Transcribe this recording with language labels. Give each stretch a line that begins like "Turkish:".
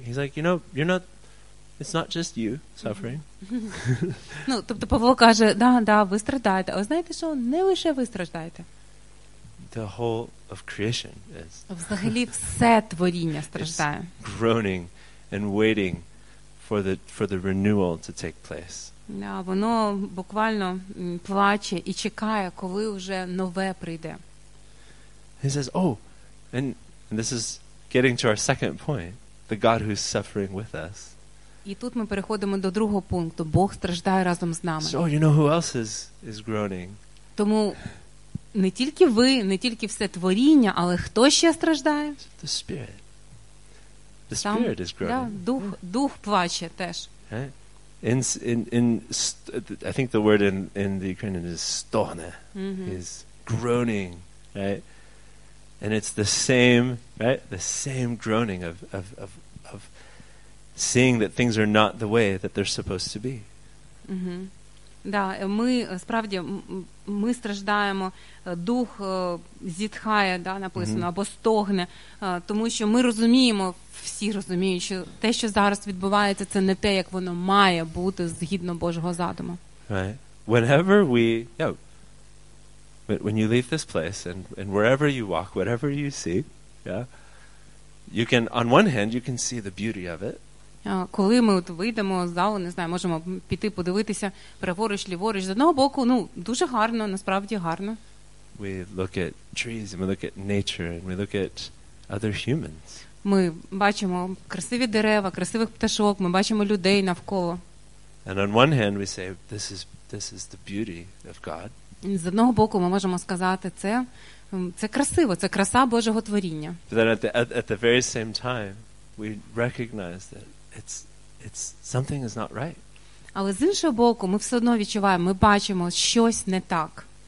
English: He's like, you know, you're not, it's not just you suffering.
Ukrainian: Ну, тобто Павло каже, да, ви страждаєте. А ви знаєте, що не лише ви страждаєте.
English: The whole of creation is.
Ukrainian: Взагалі все творіння страждає.
English: It's groaning and waiting for the renewal to take place.
Ukrainian: Да, воно буквально плаче і чекає, коли вже нове прийде.
English: He says, oh, and this is getting to our second point, the God who's suffering with us.
Ukrainian: І тут ми переходимо до другого пункту. Бог страждає разом з нами.
English: So, you know who else is groaning?
Ukrainian: Тому не тільки ви, не тільки все творіння, але хто ще страждає?
English: The Spirit. The The spirit is groaning.
Ukrainian: Да, дух, yeah. дух плаче теж.
English: Okay. I think the word in the Ukrainian is стогне. Mm-hmm. Is groaning, right? And it's the same, right? The same groaning of seeing that things are not the way that they're supposed to be.
Ukrainian: Да, ми справді ми страждаємо, дух зітхає, да, написано, або стогне, тому що ми розуміємо, всі розуміють, що те, що зараз відбувається, це не те, як воно має бути згідно Божого задуму.
English: Right. Whenever we, when you leave this place and wherever you walk, whatever you see, you can, on one hand, you can see the beauty of it.
Ukrainian: Коли ми от вийдемо з залу, не знаю, можемо піти подивитися праворуч, ліворуч. З одного боку, ну, дуже гарно, насправді гарно.
English: We look at trees, and we look at nature, and we look at other humans.
Ukrainian: Ми бачимо красиві дерева, красивих пташок, ми бачимо людей навколо.
English: And on one hand, we say, this is the beauty of God.
Ukrainian: З одного боку, ми можемо сказати, це красиво, це краса Божого творіння.
English: But then at the very same time, we recognize that it's something is not right.
Ukrainian: Але з іншого боку, ми все одно відчуваємо, ми бачимо, щось не так.